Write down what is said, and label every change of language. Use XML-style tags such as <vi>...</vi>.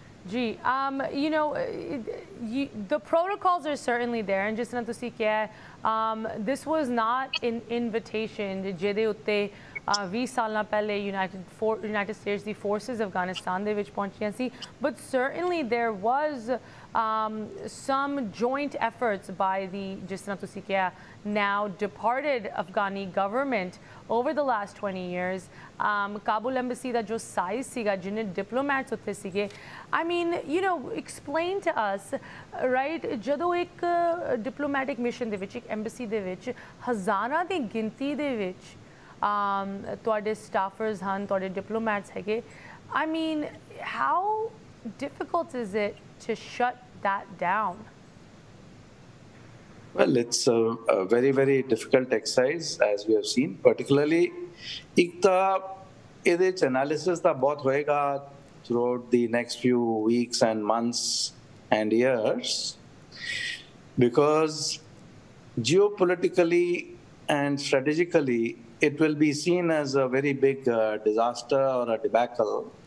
<en>ਜੀ, you know, the protocols are certainly there, and just to see</en> <pa>ਕਿਆ,</pa> <en>this was not an invitation</en> <pa>ਜਿਹਦੇ ਉੱਤੇ 20 ਸਾਲ ਨਾ ਪਹਿਲੇ</pa> <en>United States the forces</en> <pa>Afghanistan ਦੇ ਵਿੱਚ ਪਹੁੰਚੀਆਂ ਸੀ,</pa> <en>but certainly there was some joint efforts by the</en> <pa>ਜਿਸਨਾ ਤੁਸੀਂ ਕਿਆ</pa> <en>now departed Afghani government over the last 20 years.</en> <pa>Kabul embassy ਦਾ ਜੋ size ਸੀਗਾ, ਜਿੰਨੇ diplomats ਉੱਥੇ ਸੀਗੇ,</pa> <en>I mean, you know, explain to us, right,</en> <pa>ਜਦੋਂ ਇੱਕ diplomatic mission ਦੇ ਵਿੱਚ, ਇੱਕ embassy ਦੇ ਵਿੱਚ ਹਜ਼ਾਰਾਂ ਦੀ ਗਿਣਤੀ ਦੇ ਵਿੱਚ ਤੁਹਾਡੇ staffers ਹਨ, ਤੁਹਾਡੇ diplomats ਹੈਗੇ,</pa> <en>I mean, how difficult is it to shut that down? Well, it's a very, very difficult exercise, as we have seen. Particularly,</en> <pa>ek ta ede ch analysis ta bahut hoega</pa> <en>throughout the next few weeks and months and years, because geopolitically and strategically, it will be seen as a very big disaster or a debacle.</en>